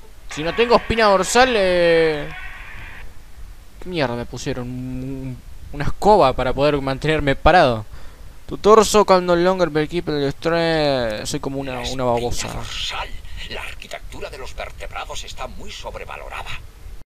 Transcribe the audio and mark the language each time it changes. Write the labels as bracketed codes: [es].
[es] Si no tengo espina dorsal, ¿qué mierda me pusieron? Una escoba para poder mantenerme parado. [en] Tu torso can no longer be equipped with strength. [es] Soy como una babosa. Dorsal. La arquitectura de los vertebrados está muy sobrevalorada.